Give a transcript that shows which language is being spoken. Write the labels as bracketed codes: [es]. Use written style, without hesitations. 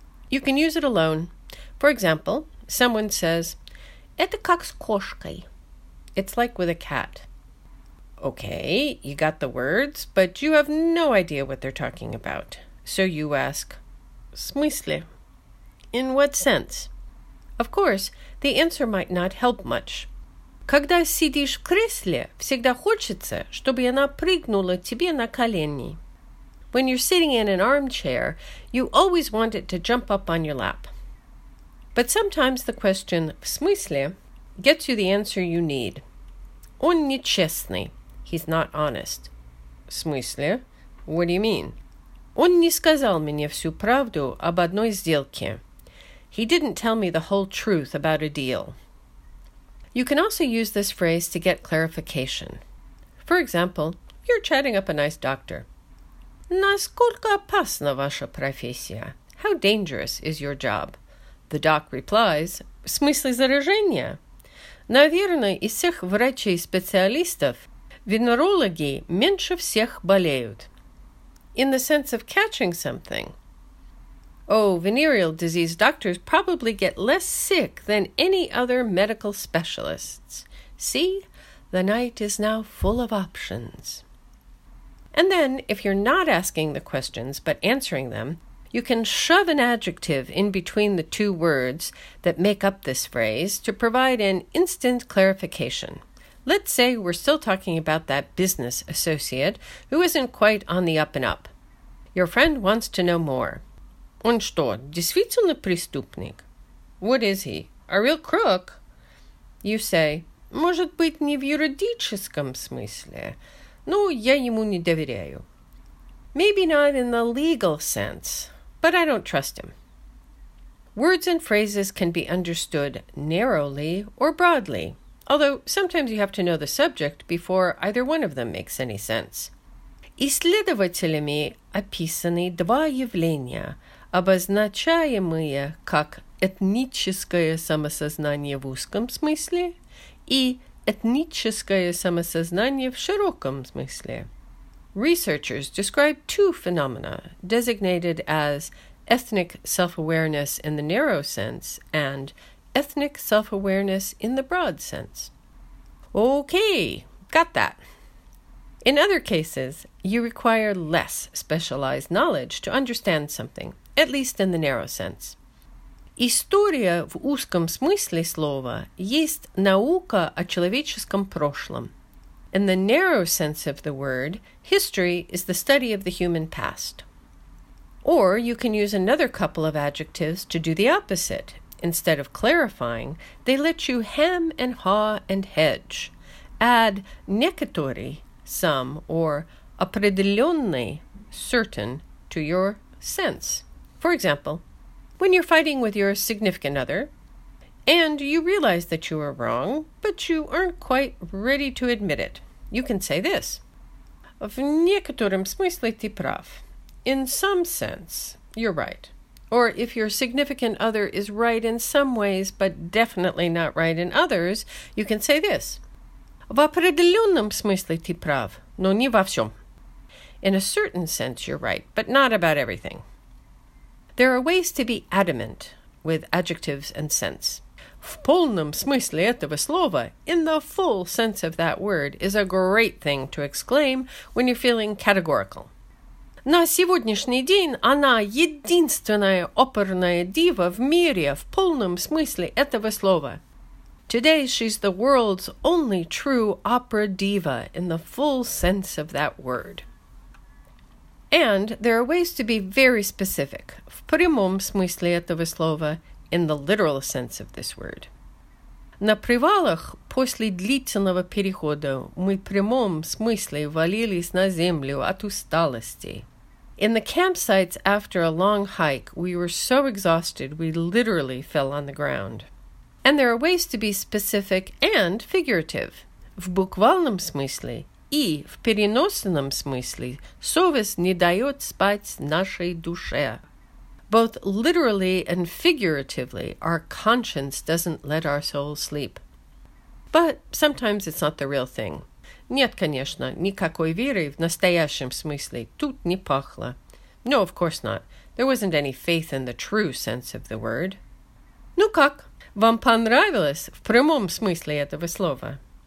[en] You can use it alone. For example, someone says, [ru] «Это как с кошкой». [en] It's like with a cat. Okay, you got the words, but you have no idea what they're talking about. So you ask, [ru] «Смысле?» [en] In what sense? Of course, the answer might not help much. [ru] «Когда сидишь в кресле, всегда хочется, чтобы она прыгнула тебе на колени». [en] When you're sitting in an armchair, you always want it to jump up on your lap. But sometimes the question, [ru] «Смысле?» [en] gets you the answer you need. [ru] Он нечестный. [en] He's not honest. [ru] Смысле? [en] What do you mean? [ru] Он не сказал мне всю правду об одной сделке. [en] He didn't tell me the whole truth about a deal. You can also use this phrase to get clarification. For example, you're chatting up a nice doctor. [ru] Насколько опасна ваша профессия? [en] How dangerous is your job? The doc replies, [ru] В смысле заражения? Наверное, из всех врачей-специалистов венерологи меньше всех болеют. [en] In the sense of catching something. Oh, venereal disease doctors probably get less sick than any other medical specialists. See, the night is now full of options. And then, if you're not asking the questions but answering them, you can shove an adjective in between the two words that make up this phrase to provide an instant clarification. Let's say we're still talking about that business associate who isn't quite on the up and up. Your friend wants to know more. [ru] Он что, действительно преступник? [en] What is he? A real crook? You say, [ru] может быть, не в юридическом смысле, но я ему не доверяю. [en] Maybe not in the legal sense. But I don't trust him. Words and phrases can be understood narrowly or broadly, although sometimes you have to know the subject before either one of them makes any sense. [ru] Исследователями описаны два явления, обозначаемые как этническое самосознание в узком смысле и этническое самосознание в широком смысле. [en] Researchers describe two phenomena, designated as ethnic self-awareness in the narrow sense and ethnic self-awareness in the broad sense. Okay, got that. In other cases, you require less specialized knowledge to understand something, at least in the narrow sense. [ru] История в узком смысле слова есть наука о человеческом прошлом. [en] In the narrow sense of the word, history is the study of the human past. Or you can use another couple of adjectives to do the opposite. Instead of clarifying, they let you hem and haw and hedge. Add некоторые, some, or определенные, certain, to your sense. For example, when you're fighting with your significant other, and you realize that you are wrong, but you aren't quite ready to admit it. You can say this. [ru] В некотором смысле ты прав. [en] In some sense, you're right. Or if your significant other is right in some ways, but definitely not right in others, you can say this. [ru] В определенном смысле ты прав, но не во всем. [en] In a certain sense, you're right, but not about everything. There are ways to be adamant with adjectives and sense. [ru] В полном смысле этого слова, [en] in the full sense of that word, is a great thing to exclaim when you're feeling categorical. [ru] На сегодняшний день она единственная оперная дива в мире в полном смысле этого слова. [en] Today she's the world's only true opera diva in the full sense of that word. And there are ways to be very specific, [ru] в прямом смысле этого слова, [en] in the literal sense of this word. [ru] На привалах после длительного перехода мы в прямом смысле валились на землю от усталости. [en] In the campsites after a long hike, we were so exhausted we literally fell on the ground. And there are ways to be specific and figurative. [ru] В буквальном смысле и в переносном смысле совесть не дает спать нашей душе. [en] Both literally and figuratively, our conscience doesn't let our soul sleep. But sometimes it's not the real thing. [ru] Нет, конечно, никакой веры в настоящем смысле тут не пахло. [en] No, of course not. There wasn't any faith in the true sense of the word. [ru] Ну как? Вам понравилось в прямом смысле этого слова?